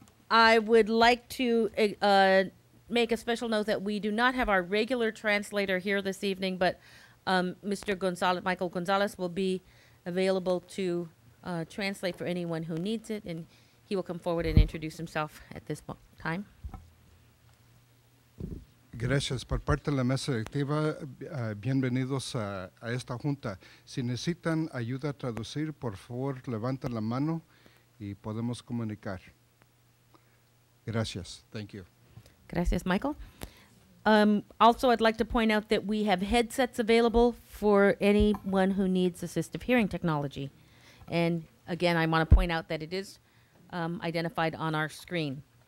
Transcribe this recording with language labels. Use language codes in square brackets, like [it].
[en] I would like to make a special note that we do not have our regular translator here this evening, but Mr. Gonzalez, Michael Gonzalez, will be available to translate for anyone who needs it, and he will come forward and introduce himself at this time. [es] Gracias. Por parte de la mesa directiva, bienvenidos a esta junta. Si necesitan ayuda a traducir, por favor, levanten la mano y podemos comunicar. Gracias. [en] Thank you. [es] Gracias, Michael. [en] Also, I'd like to point out that we have headsets available for anyone who needs assistive hearing technology. And again, I want to point out that it is identified on our screen.